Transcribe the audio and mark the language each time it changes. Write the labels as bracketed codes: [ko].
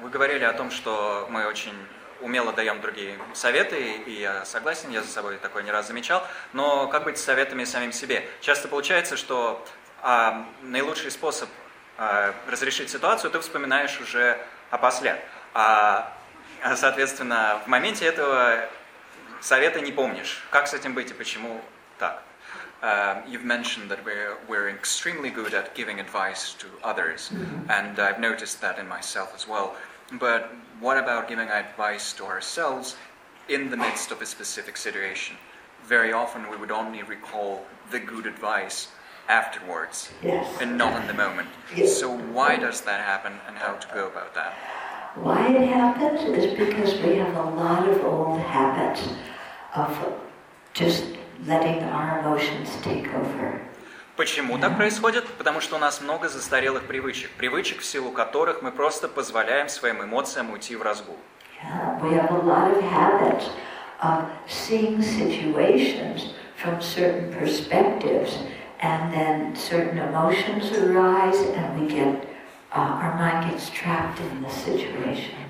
[ru] Вы говорили о том, что мы очень умело даем другие советы, и я согласен, я за собой такое не раз замечал, но как быть с советами самим себе? Часто получается, что наилучший способ разрешить ситуацию ты вспоминаешь уже опосля. А, соответственно, в моменте этого совета не помнишь. Как с этим быть и почему так? [en] You've mentioned that we're extremely good at giving advice to others, and I've noticed that in myself as well. But what about giving advice to ourselves in the midst of a specific situation? Very often we would only recall the good advice afterwards, yes, and not in the moment. Yes. So why does that happen, and how to go about that? Why it happens is because we have a lot of old habits of just letting our emotions take over. [ru] Почему так происходит? Потому что у нас много застарелых привычек, привычек, в силу которых мы просто позволяем своим эмоциям уйти в разгул. [en] Yeah, we have a lot of habits of seeing situations from certain perspectives, and then certain emotions arise, and we get our mind gets trapped in the situation.